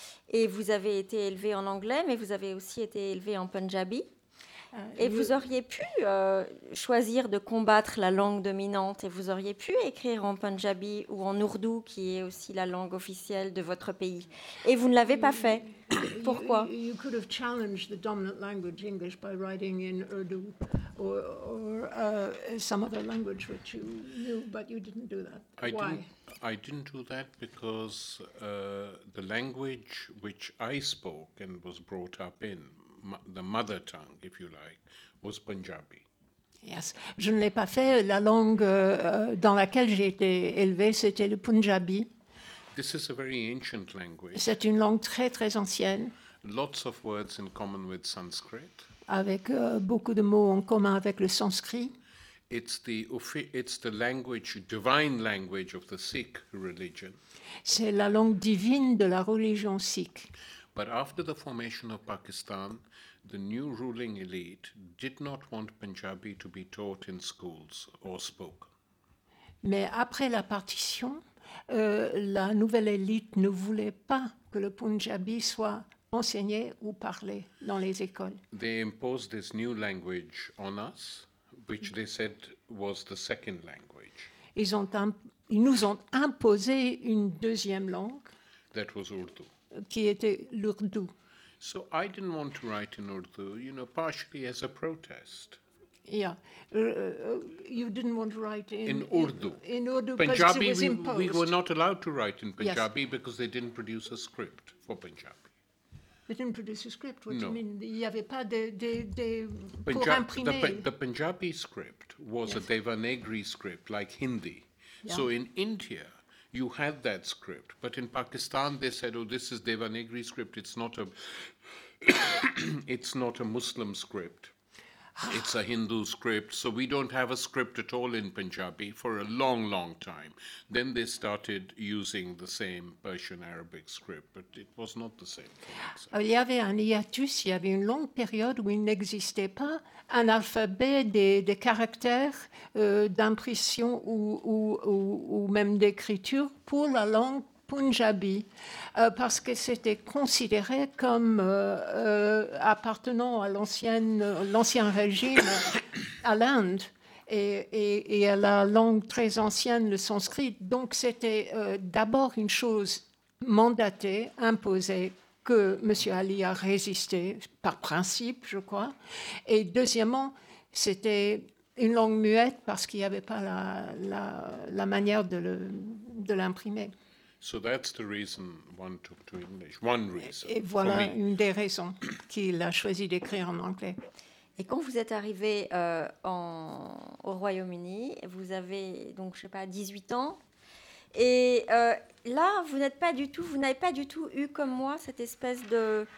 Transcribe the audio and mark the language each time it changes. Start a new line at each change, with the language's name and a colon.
French: Et vous avez été élevé en anglais, mais vous avez aussi été élevé en punjabi. Et vous auriez pu choisir de combattre la langue dominante et vous auriez pu écrire en punjabi ou en ourdou, qui est aussi la langue officielle de votre pays. Et vous ne l'avez pas fait. Pourquoi?
English: You could have challenged the dominant language, English, by writing in Urdu or some other language which you knew, but you didn't do that. I didn't do that because the language which I spoke and was brought up in, the mother tongue, if you like, was Punjabi.
French: Yes, je ne l'ai pas fait. La langue dans laquelle j'ai été élevée, c'était le Punjabi.
English: This is a very ancient language.
French: C'est une langue très, très ancienne.
English: Lots of words in common with Sanskrit.
French: Avec beaucoup de mots en commun avec le sanskrit.
English: It's the language, divine language of the Sikh religion.
French: C'est la langue divine de la religion Sikh.
English: But after the formation of Pakistan, the new ruling elite did not want Punjabi to be taught in schools or spoken.
French: Mais après la partition, la nouvelle élite ne voulait pas que le Punjabi soit enseigné ou parlé dans les écoles.
English: They imposed this new language on us, which they said was the second language.
French: Ils nous ont imposé une deuxième langue.
English: That was Urdu.
French: Qui était l'ourdou.
English: So I didn't want to write in Urdu, you know, partially as a protest. Yeah, you didn't want to write in Urdu. In Urdu, Punjabi, because it was imposed. We were not allowed to write in Punjabi, yes. Because they didn't produce a script for Punjabi. They didn't produce a script. What no. Do you mean?
French: Il n'y avait pas de pour imprimer.
English: The Punjabi script was a Devanagari script, like Hindi. Yeah. So in India, you had that script, but in Pakistan, they said, "Oh, this is Devanagari script. It's not a, it's not a Muslim script." It's a Hindu script, so we don't have a script at all in Punjabi for a long, long time. Then they started using the same Persian Arabic script, but it was not the same.
French: Il y avait un hiatus, il y avait une longue période où il n'existait pas un alphabet des caractères d'impression ou même d'écriture pour la langue Punjabi, parce que c'était considéré comme appartenant à l'ancien régime, à l'Inde, et à la langue très ancienne, le sanskrit. Donc c'était d'abord une chose mandatée, imposée, que M. Ali a résisté, par principe, je crois. Et deuxièmement, c'était une langue muette, parce qu'il n'y avait pas la manière de l'imprimer.
English: So that's the reason one took to English. One reason.
French: Et voilà une des raisons qu'il a choisi d'écrire en anglais. Et quand vous êtes arrivé au Royaume-Uni, vous avez donc, je sais pas, 18 ans. Et là, vous n'avez pas du tout eu comme moi cette espèce de.